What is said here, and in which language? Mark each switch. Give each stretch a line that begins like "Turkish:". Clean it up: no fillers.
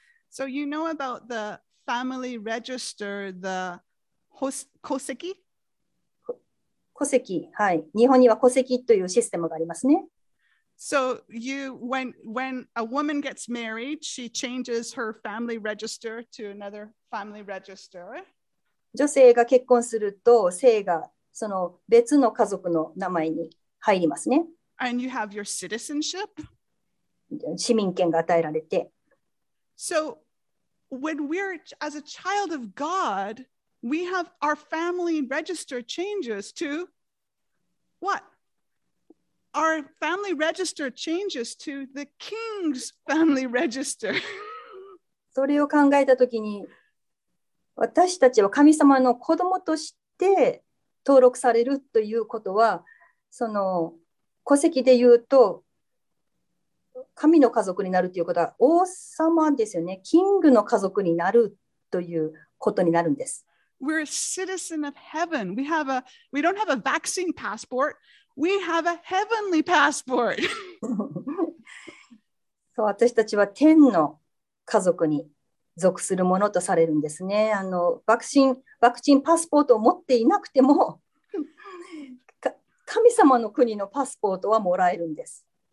English: So you know about the family register, the 戸籍?
Japanese: 戸籍、はい。日本には戸籍というシステムがありますね。
English: So you, when a woman gets married, she changes her family register to another family register.
Japanese: 女性が結婚すると、姓がその別の家族の名前に入りますね。
English: And you have your citizenship.
Japanese: 市民権が与えられて。
English: So when we're as a child of God, we have our family register changes to what? Our family register changes to the king's family register.
Japanese: それを考えたときに、私たちは神様の子供として登録されるということは、その戸籍で言うと、神の家族になるということは、王様ですよね、キングの家族になるということになるんです。
English: We're a citizen of heaven. We don't have a vaccine passport. We have a heavenly passport.
Japanese: そう、私たちは天の家族に属するものとされるんですね。あの、ワクチンパスポートを持っていなくても、神様の国のパスポートはもらえるんです。